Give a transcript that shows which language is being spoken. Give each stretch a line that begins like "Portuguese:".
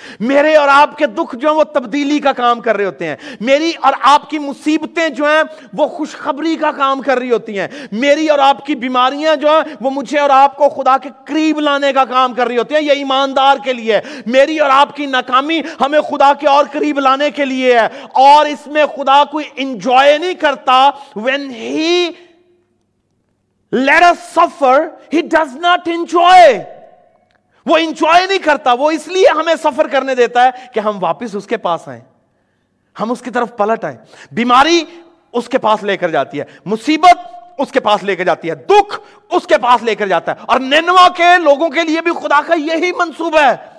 Hindi: मेरे और आपके दुख जो है वो तब्दीली का काम कर रहे होते हैं. मेरी और आपकी मुसीबतें जो हैं वो खुशखबरी का काम कर रही होती हैं. मेरी और आपकी बीमारियां जो हैं वो मुझे और आपको खुदा के करीब लाने का काम कर रही होती हैं. ये ईमानदार के लिए है. मेरी और आपकी नाकामी हमें खुदा के और करीब लाने के लिए है. और इसमें खुदा कोई इंजॉय नहीं करता.
English: When he Let us suffer, he does not enjoy.
Hindi: वो enjoy नहीं करता. वो इसलिए हमें सफर करने देता है कि हम वापिस उसके पास आए, हम उसकी तरफ पलट आए. बीमारी उसके पास लेकर जाती है, मुसीबत उसके पास लेकर जाती है, दुख उसके पास लेकर जाता है. और नैनवा के लोगों के लिए भी खुदा का यही मंसूबा है.